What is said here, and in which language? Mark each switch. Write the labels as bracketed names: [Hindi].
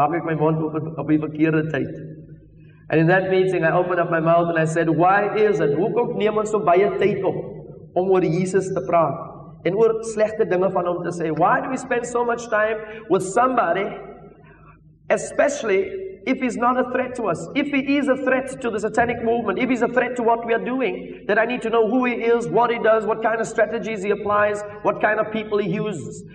[English] And in that meeting, I opened up my mouth and I said, why is it? [Afrikaans] Hoekom neem ons so baie tyd op om oor Jesus te praat? En oor slegte dinge van hom te sê. [English] Why do we spend so much time with somebody, especially if he's not a threat to us? If he is a threat to the satanic movement, if he's a threat to what we are doing, then I need to know who he is, what he does, what kind of strategies he applies, what kind of people he uses.